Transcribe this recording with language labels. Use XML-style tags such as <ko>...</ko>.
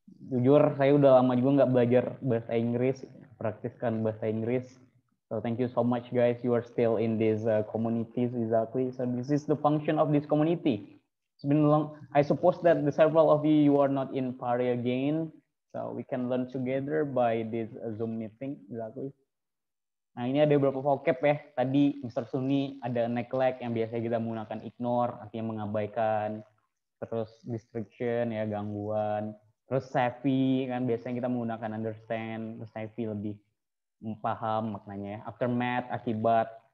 <id>Jujur, saya udah lama juga nggak belajar bahasa Inggris, praktiskan bahasa Inggris.</id> <en>So thank you so much, guys. You are still in this community, exactly. So this is the function of this community. It's been long. I suppose that the several of you are not in Paris again, so we can learn together by this Zoom meeting. Exactly.</en> <id>Nah, ini ada beberapa vocab ya. Tadi Mr. Sunni ada neglect, yang biasanya kita menggunakan ignore, artinya mengabaikan. Terus restriction ya, gangguan. Terus savvy, kan biasanya kita menggunakan understand. Terus savvy lebih paham maknanya ya. Aftermath, akibat.</id>